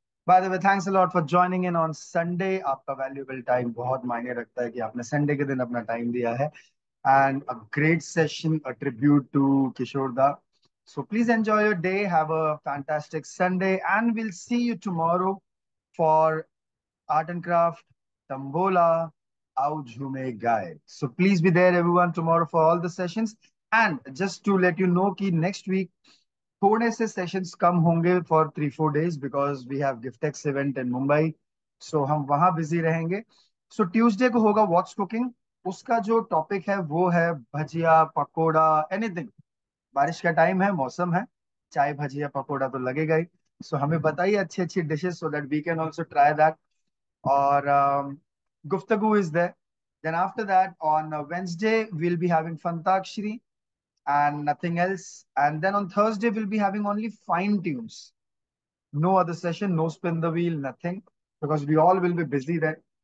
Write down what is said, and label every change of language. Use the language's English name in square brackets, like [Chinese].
[English] By the way, thanks a lot for joining in on Sunday. [Hindi] आपका [English] valuable time [Hindi] बहुत मायने रखता है कि आपने Sunday के दिन अपना time दिया है. [English] And a great session, a tribute to Kishore Da. So please enjoy your day. Have a fantastic Sunday. And we'll see you tomorrow for Art and Craft, Tambola, Au Jhume Gaye. So please be there everyone tomorrow for all the sessions. And just to let you know कि next week, [Hindi] थोड़े से sessions कम होंगे [English] for 3-4 days because we have Giftex event in Mumbai, so [Hindi] हम वहां busy रहेंगे. सो Tuesday को होगा what's cooking, उसका जो टॉपिक है वो है भजिया पकोड़ा एनीथिंग. बारिश का टाइम है, मौसम है, चाय भजिया पकोड़ा तो लगेगा ही, सो हमें बताइए अच्छी अच्छी dishes [English] So that we can also try that. और Guftagu is there. Then after that on Wednesday we'll be having Funtakshari and nothing else, and then on Thursday we'll be having only fine tunes, no other session, no spin the wheel, nothing, because we all will be busy then.